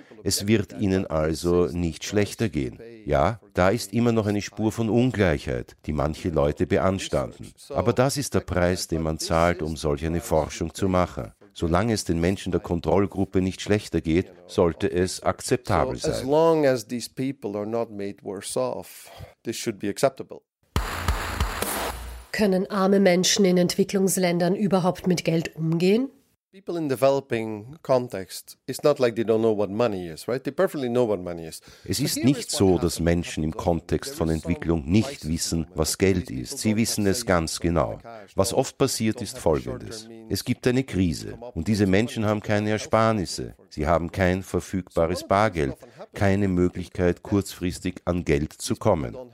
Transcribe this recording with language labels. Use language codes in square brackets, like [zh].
[de] Es wird ihnen also nicht schlechter gehen. Ja, da ist immer noch eine Spur von Ungleichheit, die manche Leute beanstanden. Aber das ist der Preis, den man zahlt, um solch eine Forschung zu machen. Solange es den Menschen der Kontrollgruppe nicht schlechter geht, sollte es akzeptabel sein. [en] So long as these people are not made worse off, this should be acceptable. [de] Können arme Menschen in Entwicklungsländern überhaupt mit Geld umgehen? [en] People in developing context, it's not like they don't know what money is, right? They perfectly know what money is. [de] Es ist nicht so, dass Menschen im Kontext von Entwicklung nicht wissen, was Geld ist. Sie wissen es ganz genau. Was oft passiert, ist Folgendes. Es gibt eine Krise und diese Menschen haben keine Ersparnisse. Sie haben kein verfügbares Bargeld, keine Möglichkeit, kurzfristig an Geld zu kommen.